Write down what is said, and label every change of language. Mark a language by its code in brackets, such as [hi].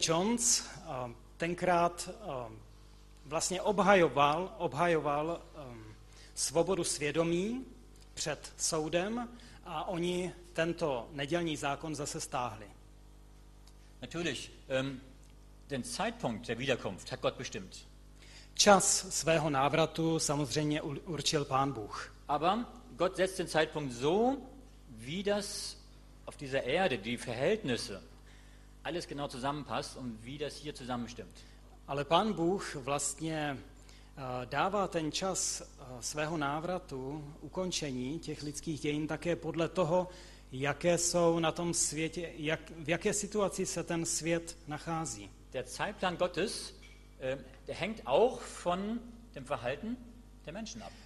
[cs] Jones tenkrát vlastně obhajoval svobodu svědomí před soudem a oni tento nedělní zákon zase stáhli. [de] Natürlich den Zeitpunkt der Wiederkunft hat Gott bestimmt. [cs] Čas svého návratu samozřejmě určil Pán Bůh. [de] Aber Gott setzt den Zeitpunkt so, wie das auf dieser Erde die Verhältnisse alles genau zusammenpasst und wie das hier zusammenstimmt. [cs] Ale Pán Bůh vlastně dává ten čas svého návratu, ukončení těch lidských dějin také podle toho, jaké jsou na tom světě, v jaké situaci se ten svět nachází. [de] Der Zeitplan Gottes, der hängt auch von dem Verhalten der Menschen ab.